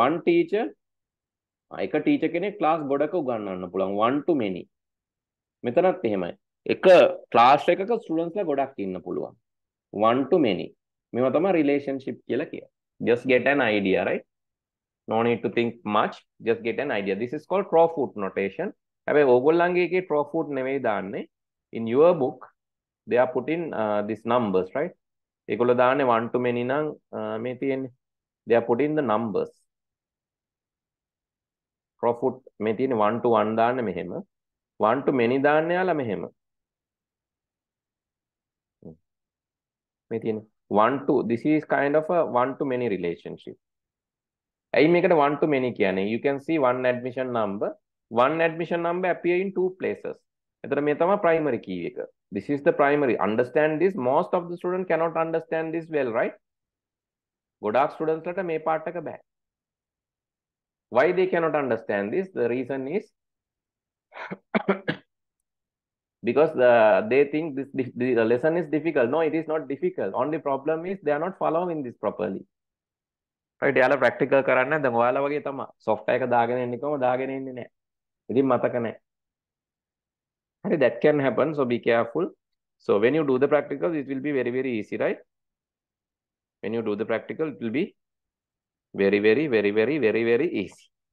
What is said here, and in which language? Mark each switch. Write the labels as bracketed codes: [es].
[si] One teacher එක teacher කෙනෙක් class ගොඩක උගන්වන්න පුළුවන්. [en] One to many. [si] මෙතනත් එහෙමයි. එක ක්ලාස් එකක ස්ටුඩන්ට්ස්ලා ගොඩක් ඉන්න පුළුවන්. [en] One to many. [si] මේවා තමයි relationship කියලා කියන්නේ. [en] Just get an idea, right? No need to think much. Just get an idea. This is called crowfoot notation. [si] හැබැයි ඕගොල්ලන්ගේ එකේ crowfoot නෙවෙයි දාන්නේ. [en] In your book, they are putting these numbers, right? [si] ඒගොල්ලෝ දාන්නේ 1 to many නම් මේ තියෙන්නේ. [en] They are putting the numbers. [si] Crowfoot මේ තියෙන්නේ 1 to 1 දාන්නේ මෙහෙම. 1 to many දාන්නේ යාලා මෙහෙම. [en] මේ තියෙන්නේ 1 to this is kind of a 1 to many relationship. [si] ඇයි මේකට 1 to many කියන්නේ? [en] You can see one admission number. One admission number appear in two places. [si] එතන මේ තමයි primary key එක. [en] This is the primary. Understand this. Most of the students cannot understand this well, right? [si] ගොඩාක් students ලට මේ part එක බෑ. [en] Why they cannot understand this? The reason is because they think this lesson is difficult. No, it is not difficult. Only problem is they are not following this properly. Right? [si] Yala practical කරන්න දැන් ඔයාලා වගේ තමයි. Software එක දාගෙන ඉන්නේ කොහොමද දාගෙන ඉන්නේ නැහැ. ඉතින් මතක නැහැ. [en] Hey, that can happen, so be careful. So when you do the practical, it will be very very easy, right? When you do the practical, it will be very very very very very very easy.